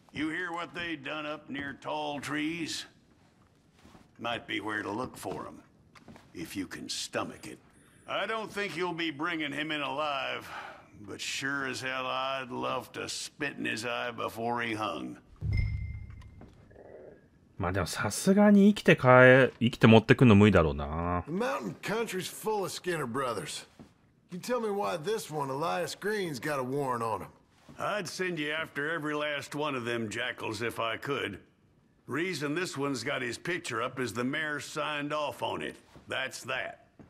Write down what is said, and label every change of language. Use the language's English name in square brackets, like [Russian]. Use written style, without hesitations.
[English] You hear what they done up near tall trees? Might be where to look for them, if you can stomach it. I don't think you'll be bringing him in alive, but sure as hell I'd love to spit in his eye before he hung. [Japanese] まあでもさすがに生きて持ってくんの無理だろうな。 [English] The mountain country's full of Skinner brothers. You tell me why this one, Elias Green's got a warrant on him. I'd send you after every last one of them jackals if I could. Reason this one's got his picture up is the mayor signed off on it. That's that.